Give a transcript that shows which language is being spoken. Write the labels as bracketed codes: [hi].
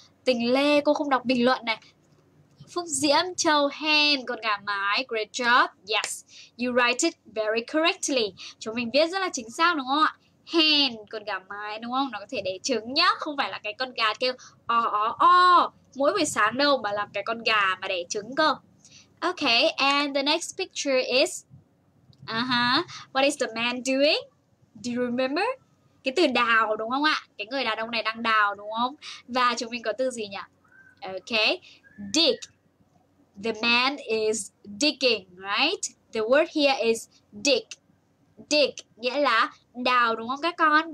[vi] Tình Lê cô không đọc bình luận này. Phúc Diễm, Châu Hen, con gà mái, [en] great job. Yes, you write it very correctly. [vi] Chúng mình viết rất là chính xác đúng không ạ? Hen, con gà mái đúng không? Nó có thể đẻ trứng nhá, không phải là cái con gà kêu ó ó ó mỗi buổi sáng đâu, mà làm cái con gà mà đẻ trứng cơ. [en] Okay, and the next picture is what is the man doing? Do you remember? [vi] Cái từ đào đúng không ạ? Cái người đàn ông này đang đào đúng không? Và chúng mình có từ gì nhỉ? [en] Okay, dig. The man is digging, right? The word here is dig. [vi] Dig nghĩa là đào đúng không các con?